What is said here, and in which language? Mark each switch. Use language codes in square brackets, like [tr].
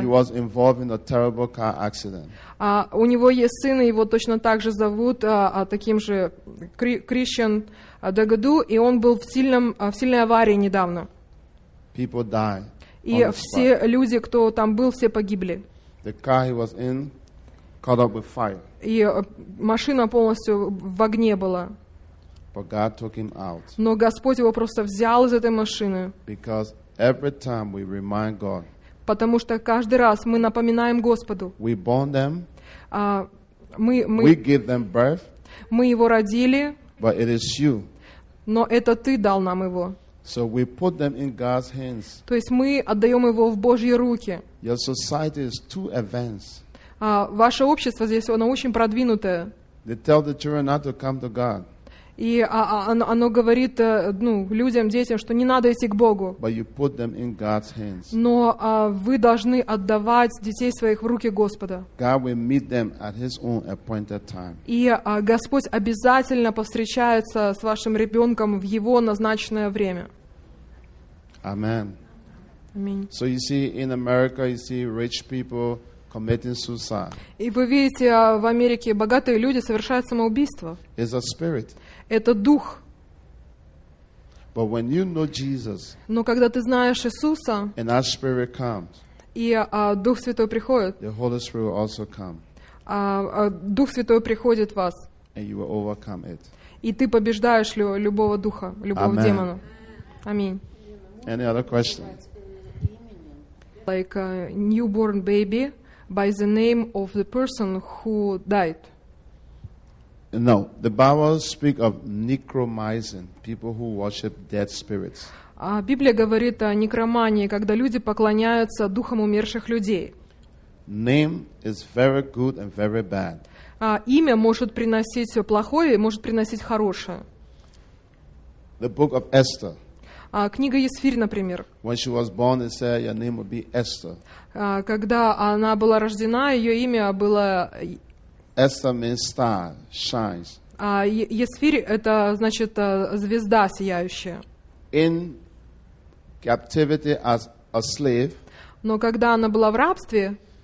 [en] He was involved in a terrible car accident. [ru] У него есть сын, его точно так же зовут, таким же Christian Dagadu, и он был в сильной аварии недавно. [en] People die. [ru] И все люди, кто там был, все погибли. [en] The car he was in caught up with fire. [ru] И машина полностью в огне была. [en] But God took him out. [ru] Но Господь его просто взял из этой машины. [en] Because every time we remind God, [ru] потому что каждый раз мы напоминаем Господу. [en] We born them, [ru] мы, [en] we give them birth, [ru] мы его родили. [en] But it is you. [ru] Но это ты дал нам его. [en] So we put them in God's hands. [ru] То есть мы отдаем его в Божьи руки. [en] Your society is too advanced. [ru] Ваше общество здесь, оно очень продвинутое. [en] They tell the children not to come to God. [ru] И оно говорит людям, детям, что не надо идти к Богу. [en] But you put them in God's hands. [ru] Но вы должны отдавать детей своих в руки Господа. [en] God will meet them at His own appointed time. [ru] И Господь обязательно повстречается с вашим ребенком в его назначенное время. [en] Amen. [ru] Аминь. [en] So you see, in America, you see rich people committing suicide. [ru] И вы видите, в Америке богатые люди совершают самоубийство. [en] It's a spirit. [ru] Это дух. [en] But when you know Jesus, [ru] но когда ты знаешь Иисуса, [en] and our spirit comes, [ru] и Дух Святой приходит, [en] the Holy Spirit will also come, [ru] Дух Святой приходит в вас, [en] and you will overcome it. [ru] И ты побеждаешь любого духа, любого [en] Amen. [ru] Демона. Аминь. [en] Any other question? Like a newborn baby by the name of the person who died. No, the Bible speaks of necromancy, people who worship dead spirits. [ru] Библия говорит о некромании, когда люди поклоняются духам умерших людей. [en] Name is very good and very bad. [ru] Имя может приносить все плохое, может приносить хорошее. [en] The book of Esther. [ru] Книга Есфирь, например. [en] When she was born, they said your name would be Esther. [ru] Когда она была рождена, ее имя было. [en] Esther means star, shines. [ru] Есфирь это значит звезда сияющая. [en] In captivity as a slave. [ru] Но когда она была в рабстве,